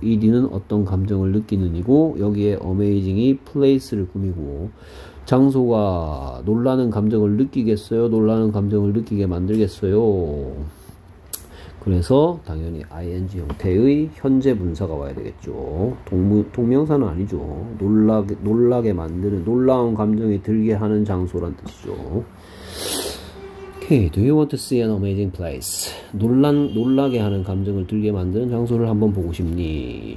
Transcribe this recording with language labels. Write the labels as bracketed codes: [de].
[ko] 이디는 어떤 감정을 느끼는 이고 여기에 어메이징이 플레이스를 꾸미고 장소가 놀라는 감정을 느끼겠어요. 놀라는 감정을 느끼게 만들겠어요. 그래서 당연히 ing 형태의 현재 문사가 와야 되겠죠. 동명사는 아니죠. 놀라게 만드는 놀라운 감정이 들게 하는 장소란 뜻이죠. [en] Okay, do you want to see an amazing place? [ko] 놀라게 하는 감정을 들게 만드는 장소를 한번 보고 싶니?